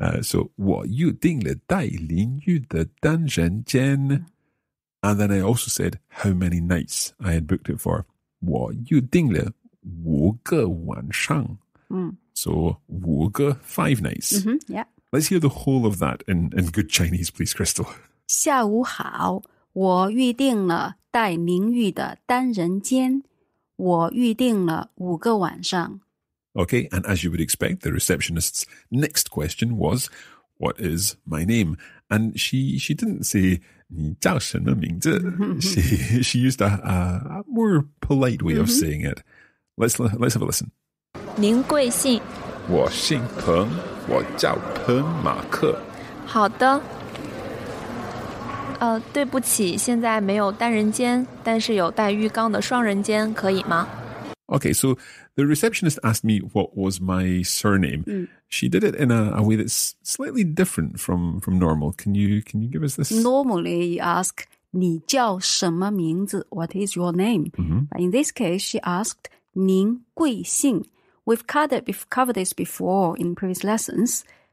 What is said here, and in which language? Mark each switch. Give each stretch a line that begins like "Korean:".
English: So,
Chinese: 我预定了带林玉的单人间。
English: And then I also said how many nights I had booked it for.
Chinese: 我预定了五个晚上。
English: So,
Chinese: 五个
English: five nights. Mm-hmm, yeah. Let's hear the whole of that in good Chinese, please, Crystal.
Chinese: 下午好，我预定了带淋浴的单人间。我预定了五个晚上。
English: Okay, and as you would expect, the receptionist's next question was, what is my name? And she didn't say,
Chinese: 你叫什么名字?
English: she used a more polite way of saying it. Let's have a listen.
Chinese: 您贵姓? 我姓彭,我叫彭马克。好的。对不起,现在没有单人间,但是有带浴缸的双人间,可以吗?
English: Okay, so the receptionist asked me what was my surname. She did it in a way that's slightly different from normal. Can you give us this? Normally, you ask,
Chinese: 你叫什么名字?
English: What is your name? Mm-hmm. But in this case, she asked,
Chinese: 您贵姓?
English: We've covered this before in previous lessons.